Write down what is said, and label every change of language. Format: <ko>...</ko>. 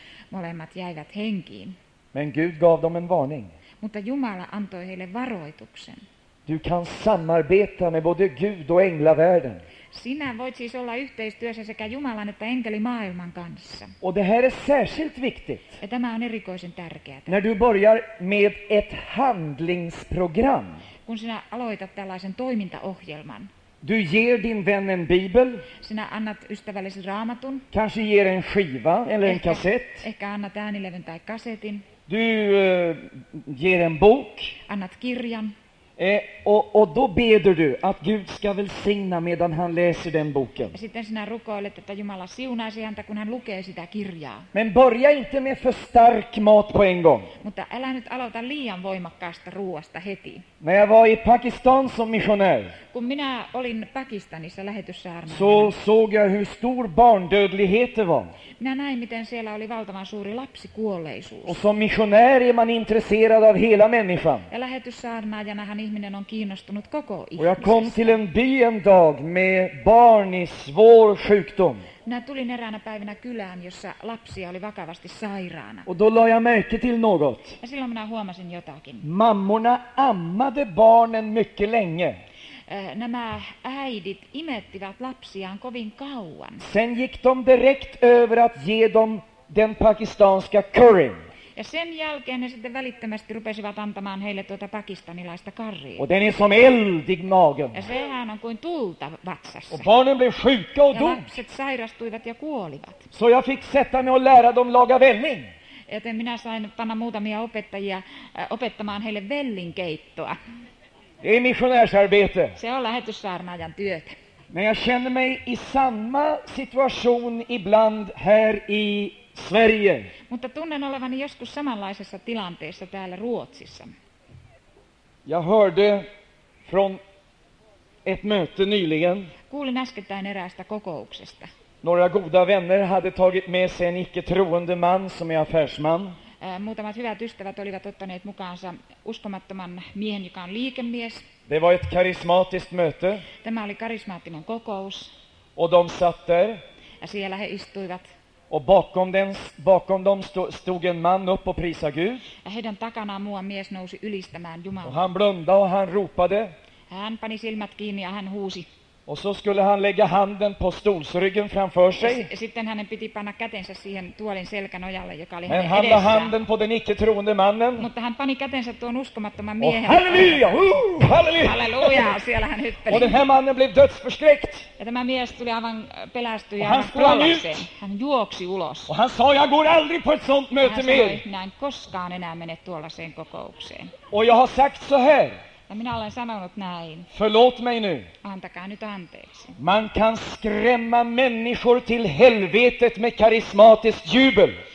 <fi>Molemmat jäivät henkiin.</fi> <sv>Men Gud gav dem en varning.</sv> <fi>Mutta Jumala antoi heille varoituksen.</fi> <sv>Du kan samarbeta med både Gud och änglavärlden.</sv> <fi>Sinä voit siis olla yhteistyössä sekä Jumalan että enkelimaailman kanssa.</fi> <sv>Och det här är särskilt viktigt.</sv> <fi>Ja tämä on erikoisen tärkeää.</fi> <sv>När du börjar med ett handlingsprogram.</sv> <fi>Kun sinä aloitat tällaisen toimintaohjelman.</fi> <sv>Du ger din vän en bibel.</sv> <fi>Sinä annat ystävällesi raamatun.</fi> <sv>Kanske ger en skiva eller en kassett.</sv> <fi>Ehkä annat äänilevyn tai kasetin.</fi> <sv>Du ger en bok.</sv> <fi>Annat kirjan.</fi> <sv>Och då beder du att Gud ska välsigna medan han läser den boken.</sv> <fi>Ja sitten sinä rukoilet, että Jumala siunaisi häntä, kun hän lukee sitä kirjaa.</fi> <sv>Men börja inte med för stark mat på en gång.</sv> <fi>Mutta älä nyt aloita liian voimakkaasta ruoasta heti.</fi> <sv>När jag var i Pakistan som missionär.</sv> <fi>Kun minä olin Pakistanissa lähetyssaarnaajana.</fi> <sv>Så såg jag hur stor barndödlighet det var.</sv> <fi>Minä näin, miten siellä oli valtavan suuri lapsikuolleisuus.</fi> <sv>Och som missionär är man intresserad av hela människan.</sv> <fi>Ja lähetyssaarnaajana hän ihminen on kiinnostunut koko ihmisestä.</fi> <sv>Och jag kom till en by en dag med barn i svår sjukdom.</sv> <fi>Minä tulin eräänä päivänä kylään, jossa lapsia oli vakavasti sairaana.</fi> <sv>Och då la jag märke till något.</sv> <fi>Ja silloin minä huomasin jotakin.</fi> <sv>Mammorna ammade barnen mycket länge.</sv> <fi>Nämä äidit imettivät lapsiaan kovin kauan.</fi> <sv>Sen gick de direkt över att ge dem den pakistanska curryn.</sv> <fi>Ja sen jälkeen ne sitten välittömästi rupesivat antamaan heille tuota pakistanilaista karria.</fi> <sv>Och den är som eld i magen.</sv> <fi>Ja sehän on kuin tulta vatsassa.</fi> <sv>Och barnen blev sjuka och dog.</sv> <fi>Ja lapset sairastuivat ja kuolivat.</fi> <sv>Så jag fick sätta mig och lära dem laga välling.</sv> <fi>Joten minä sain panna muutamia opettajia opettamaan heille vällinkeittoa.</fi> <sv>Det är missionärsarbete.</sv> <fi>Se on lähetyssaarnaajan työtä.</fi> <sv>Men jag känner mig i samma situation ibland här i Sverige.</sv> <fi>Mutta tunnen olevani joskus samanlaisessa tilanteessa täällä Ruotsissa.</fi> <sv>Jag hörde från ett möte nyligen.</sv> <fi>Kuulin äskettäin eräästä kokouksesta.</fi> <sv>Några goda vänner hade tagit med sig en icke-troende man som är affärsman.</sv> <fi>Muutamat hyvät ystävät olivat ottaneet mukaansa uskomattoman miehen, joka on liikemies.</fi> <sv>Det var ett karismatiskt möte.</sv> <fi>Tämä oli karismaattinen kokous.</fi> <sv>Och de satt där.</sv> <fi>Ja siellä he istuivat.</fi> <sv>Och bakom dem stod en man upp och prisade Gud.</sv> <fi>Ja heidän takanaan muu mies nousi ylistämään Jumalaa.</fi> <sv>Och han blundade och han ropade.</sv> <fi>Hän pani silmät kiinni ja hän huusi.</fi> <sv>Och så skulle han lägga handen på stolsryggen framför sig.</sv> <fi>Sitten hän piti panna kätensä siihen tuolin selkänojalle, joka oli hänen edessään.</fi> <sv>Men han la handen på den icke-troende mannen.</sv> <fi>Mutta hän pani kätensä tuon uskomattoman miehen.</fi> <sv>Och halleluja! Halleluja!</sv> <fi>Halleluja! Siellä hän hyppeli.</fi> <sv>Och den här mannen blev dödsförskräckt.</sv> <fi>Ja tämä mies tuli aivan pelästyjä.</fi> <sv>Och han sprang ut.</sv> <fi>Hän juoksi ulos.</fi> <sv>Och han sa, jag går aldrig på ett sånt möte mer.</sv> <fi>Hän sanoi, näin koskaan enää mene tuollaiseen kokoukseen.</fi> <sv>Och jag har sagt så här.</sv> <fi>Ja minä olen sanonut näin.</fi> <sv>Förlåt mig nu.</sv> <fi>Antakaa nyt anteeksi.</fi> <sv>Man kan skrämma människor till helvetet med karismatiskt jubel.</sv>